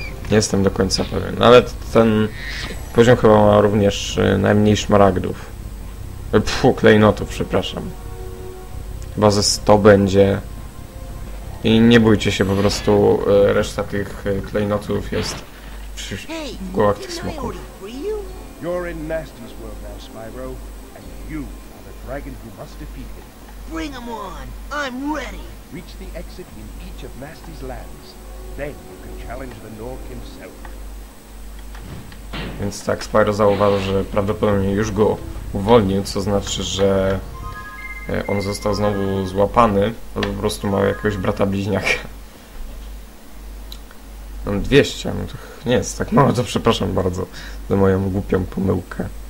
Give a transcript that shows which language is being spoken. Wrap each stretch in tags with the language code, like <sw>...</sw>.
<pl>Nie jestem do końca pewien, ale ten poziom chyba ma również najmniej szmaragdów. Klejnotów, przepraszam. Chyba ze 100 będzie. I nie bójcie się, po prostu reszta tych klejnotów jest w głowach tych smoków.</pl> <en>You're in Nasty's world now, Spyro, and you are the dragon who must defeat him. Bring him on! I'm ready! Reach the exit in each of Nasty's lands. Then you can challenge the Nork himself.</en> <pl>Więc tak, Spyro zauważył, że prawdopodobnie już go uwolnił, co znaczy, że on został znowu złapany, bo po prostu ma jakiegoś brata bliźniaka. Mam 200, no to nie jest tak mało, to przepraszam bardzo za moją głupią pomyłkę.</pl>